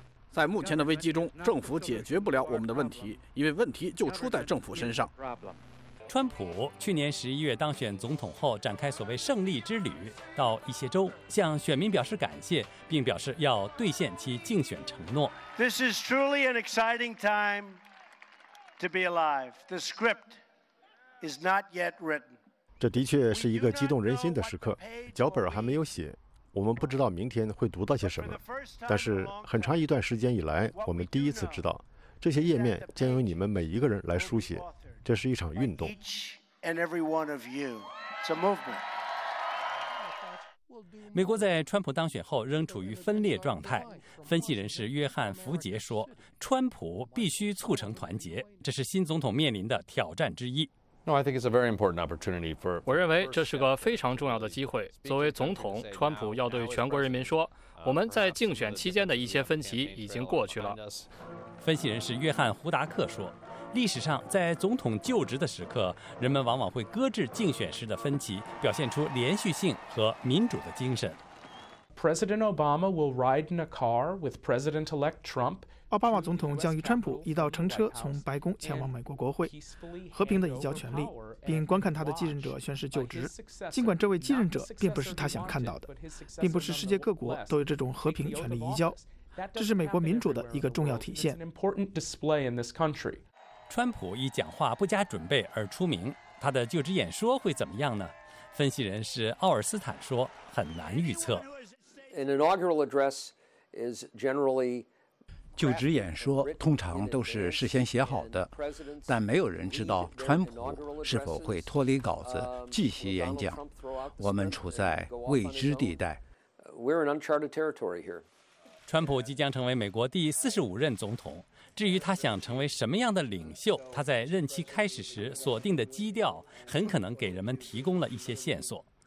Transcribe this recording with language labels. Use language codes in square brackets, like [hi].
[zh] 在目前的危机中，政府解决不了我们的问题，因为问题就出在政府身上。川普去年11月当选总统后，展开所谓胜利之旅，到一些州向选民表示感谢，并表示要兑现其竞选承诺。 [en] This is truly an exciting time to be alive. The script. Is not yet written. [zh] 这的确是一个激动人心的时刻，脚本还没有写，我们不知道明天会读到些什么，但是很长一段时间以来，我们第一次知道这些页面将由你们每一个人来书写，这是一场运动。美国在川普当选后仍处于分裂状态，分析人士约翰·福杰说，川普必须促成团结，这是新总统面临的挑战之一。 [en] No, I think it's a very important opportunity for. [zh] 我认为这是个非常重要的机会。作为总统，川普要对全国人民说，我们在竞选期间的一些分歧已经过去了。分析人士约翰·胡达克说，历史上在总统就职的时刻，人们往往会搁置竞选时的分歧，表现出连续性和民主的精神。 [en] President Obama will ride in a car with President-elect Trump. [zh] 奥巴马总统将与川普一道乘车从白宫前往美国国会，和平地移交权力，并观看他的继任者宣誓就职。尽管这位继任者并不是他想看到的，并不是世界各国都有这种和平权力移交，这是美国民主的一个重要体现。川普以讲话不加准备而出名，他的就职演说会怎么样呢？分析人士奥尔斯坦说，很难预测。 [en] An inaugural address is generally. [zh] 就职演说通常都是事先写好的，但没有人知道川普是否会脱离稿子继续演讲。我们处在未知地带。川普即将成为美国第45任总统，至于他想成为什么样的领袖，他在任期开始时锁定的基调很可能给人们提供了一些线索。